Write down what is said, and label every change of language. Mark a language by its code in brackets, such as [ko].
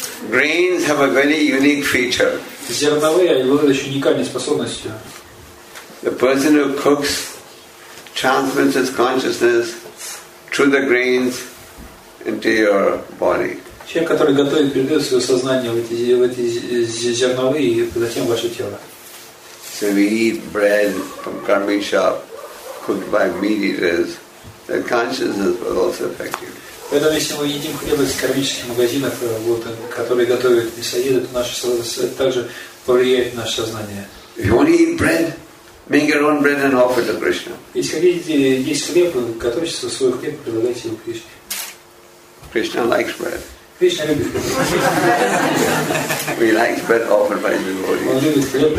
[en] Grains have a very unique feature. [ru] Зерновые обладают еще уникальной способностью. [en] The person who cooks transmits his consciousness through the grains into your body. [ru] Человек, который готовит, передает свое сознание в эти зерновые и затем в ваше тело. [en] So we eat bread from karmi shop cooked by meat eaters, the consciousness will also affect you. [ru] Поэтому если мы едим хлеб из кармических магазинов, вот, которые готовят мясоеды, то наше сознание также повлияет на наше сознание. [en] If you want to eat bread, make your own bread and offer to Krishna. [ru] Если хотите есть хлеб, готовьте свой хлеб и предлагайте его Кришне. [en] Krishna likes bread. We like bread offered by devotees.